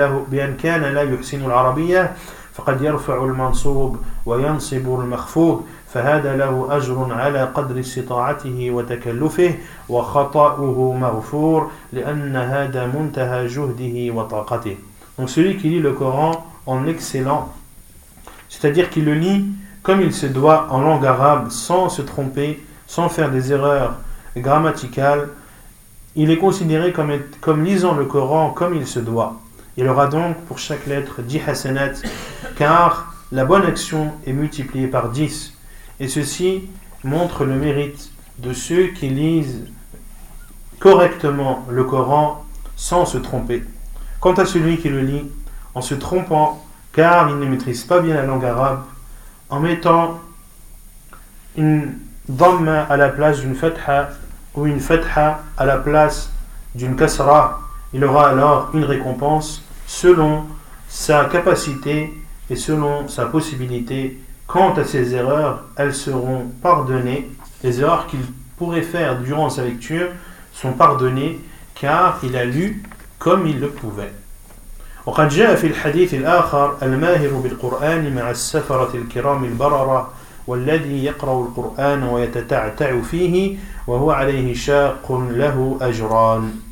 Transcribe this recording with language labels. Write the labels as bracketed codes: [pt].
[ar] بأن كان لا يحسن العربية فقد يرفع المنصوب وينصب المخفوض فهذا له أجر على قدر استطاعته وتكلفه وخطأه مغفور لأن هذا منتهى جهده وطاقته. [fr] Donc celui qui lit le Coran en excellent, c'est-à-dire qui le lit comme il se doit en langue arabe, sans se tromper, sans faire des erreurs grammaticales, il est considéré comme lisant le Coran comme il se doit. Il aura donc pour chaque lettre 10 hasanat, car la bonne action est multipliée par 10. Et ceci montre le mérite de ceux qui lisent correctement le Coran sans se tromper. Quant à celui qui le lit en se trompant, car il ne maîtrise pas bien la langue arabe, en mettant une dhamma à la place d'une fatha ou une fatha à la place d'une kasra, il aura alors une récompense selon sa capacité et selon sa possibilité. Quant à ses erreurs, elles seront pardonnées. Les erreurs qu'il pourrait faire durant sa lecture sont pardonnées car il a lu comme il le pouvait. [ar] وقد جاء في الحديث الآخر الماهر بالقرآن مع السفرة الكرام البررة والذي يقرأ القرآن ويتتعتع فيه وهو عليه شاق له أجران.